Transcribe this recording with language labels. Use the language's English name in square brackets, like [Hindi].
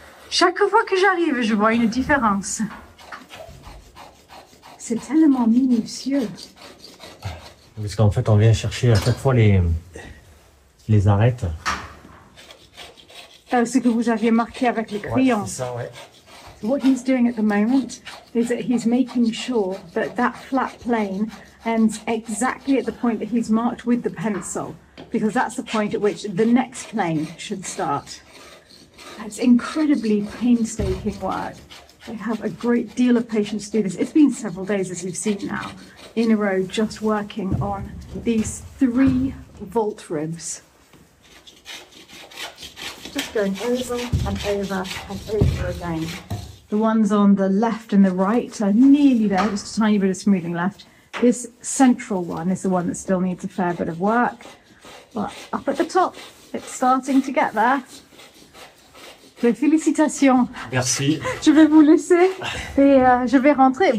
[French] Chaque fois que j'arrive, je vois une différence. C'est tellement minutieux. Parce qu'en fait, on vient chercher à chaque fois les arêtes. Ce que vous aviez marqué avec le crayon. Ouais, c'est ça, ouais. [English] What he's doing at the moment is that he's making sure that that flat plane ends exactly at the point that he's marked with the pencil, because that's the point at which the next plane should start. That's incredibly painstaking work. They have a great deal of patience to do this. It's been several days, as you've seen now, in a row, just working on these three vault ribs. Just going over and over and over again. The ones on the left and the right are nearly there, just a tiny bit of smoothing left. This central one is the one that still needs a fair bit of work. But up at the top, it's starting to get there. [French] Mais félicitations. Merci. Je vais vous laisser et je vais rentrer.